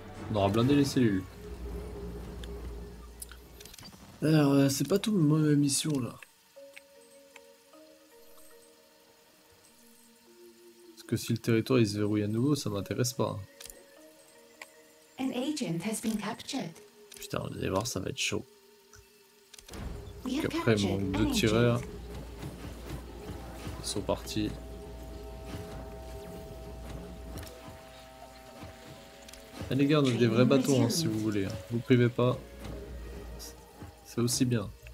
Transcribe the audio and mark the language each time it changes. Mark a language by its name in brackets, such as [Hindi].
[French] On aura blindé les cellules. Alors, c'est pas tout ma mission là. Parce que si le territoire il se verrouille à nouveau, ça m'intéresse pas. [English] An agent has been captured. [French] Putain, vous allez voir, ça va être chaud. Après, mon deux tireurs. Ils sont partis. Et les gars, on a des vrais bateaux hein, si vous voulez. Vous privez pas. C'est aussi bien.